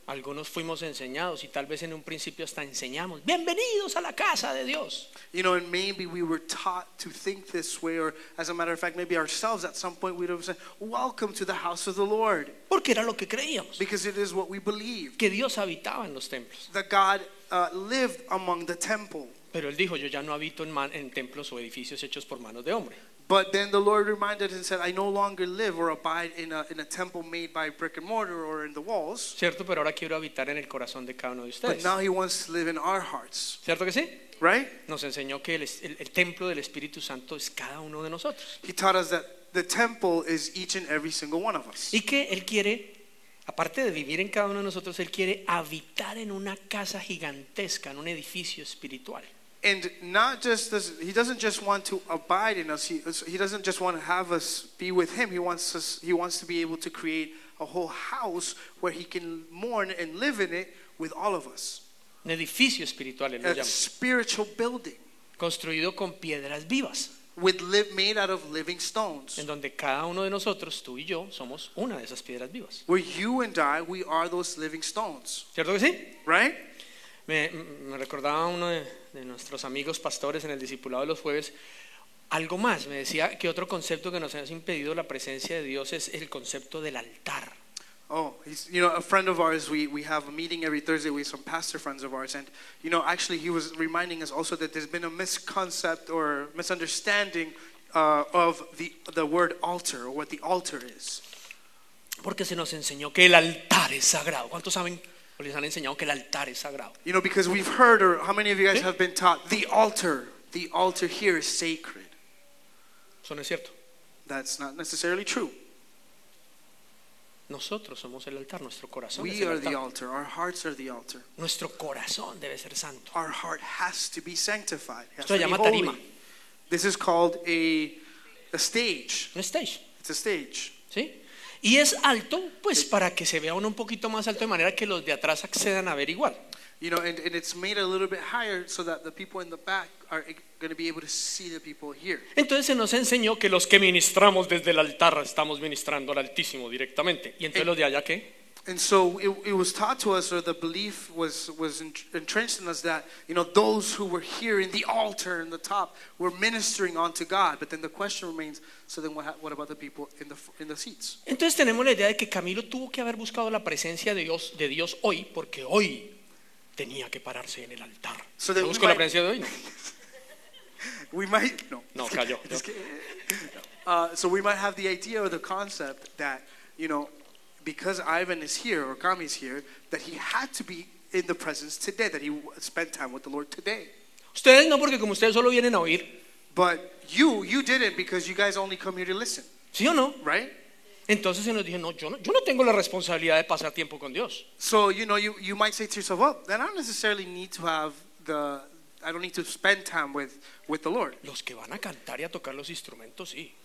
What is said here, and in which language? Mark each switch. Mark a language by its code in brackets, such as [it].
[es] Algunos fuimos enseñados y tal vez en un principio hasta enseñamos, bienvenidos a la casa de Dios. [en] You know, and maybe we were taught to think this way, or as a matter of fact, maybe ourselves at some point we'd have said, welcome to the house of the Lord. [es] Porque era lo que creíamos. [en] Because it is what we believed. [es] Que Dios habitaba en los templos. [en] That God lived among the temple. [es] Pero él dijo, yo ya no habito en templos o edificios hechos por manos de hombre. [en] But then the Lord reminded and said, I no longer live or abide in a temple made by brick and mortar or in the walls. [es] Cierto, pero ahora quiero habitar en el corazón de cada uno de ustedes. [en] But now he wants to live in our hearts. [es] Cierto que sí. [en] Right? [es] Nos enseñó que el templo del Espíritu Santo es cada uno de nosotros. [en] He taught us that the temple is each and every single one of us. [es] Y que él quiere, aparte de vivir en cada uno de nosotros, él quiere habitar en una casa gigantesca, en un edificio espiritual. [en] And not just this, he doesn't just want to abide in us, he doesn't just want to have us be with him, he wants to be able to create a whole house where he can mourn and live in it with all of us. [es] Un edificio espiritual, él lo llama. [en] A spiritual building [es] construido con piedras vivas. [en] Made out of living stones. [es] En donde cada uno de nosotros, tú y yo, somos una de esas piedras vivas. [en] Where you and I, we are those living stones. [es] ¿Cierto que sí? [en] Right? [es] Me recordaba uno de nuestros amigos pastores en el discipulado de los jueves algo más. Me decía que otro concepto que nos ha impedido la presencia de Dios es el concepto del altar. [en] Oh, you know, a friend of ours, we have a meeting every Thursday with some pastor friends of ours, and you know, actually he was reminding us also that there's been a misconcept or misunderstanding of the word altar or what the altar is. [es] Porque se nos enseñó que el altar es sagrado. ¿Cuántos saben? O les han enseñado que el altar es sagrado. [en] You know, because we've heard, or how many of you guys, ¿sí?, have been taught the altar here is sacred. [es] Eso no es cierto. [en] That's not necessarily true. [es] Nosotros somos el altar, nuestro corazón [en] we [es] es el altar. [en] We are the altar, our hearts are the altar. [es] Nuestro corazón debe ser santo. [en] Our heart has to be sanctified. [es] Esto se llama tarima. [en] This is called a stage. A stage. It's a stage. [es] ¿Sí? Y es alto, pues, para que se vea uno un poquito más alto, de manera que los de atrás accedan a ver igual. [en] You know, and it's made a little bit higher so that the people in the back are going to be able to see the people here. [es] Entonces se nos enseñó que los que ministramos desde el altar estamos ministrando al Altísimo directamente. Y entonces los de allá, ¿qué? [en] And so it was taught to us, or the belief was entrenched in us that, you know, those who were here in the altar in the top were ministering unto God. But then the question remains, so then what about the people in the seats? [es] Entonces tenemos la idea de que Camilo tuvo que haber buscado la presencia de Dios hoy, porque hoy tenía que pararse en el altar. [en] So then [es] busco la presencia de hoy. [en] We might no. [es] No, cayó. [en] So we might have the idea or the concept that, you know, because Ivan is here or Kami is here, that he had to be in the presence today, that he spent time with the Lord today. [es] Ustedes no, porque como ustedes solo vienen a oír. [en] But you didn't, because you guys only come here to listen. [es] ¿Sí o no? [en] Right? [es] Entonces se nos dijo, no, yo no tengo la responsabilidad de pasar tiempo con Dios. [en] So, you know, you might say to yourself, well, then I don't necessarily need to have I don't need to spend time with the Lord. [es] Los que van a cantar y a tocar los instrumentos, sí.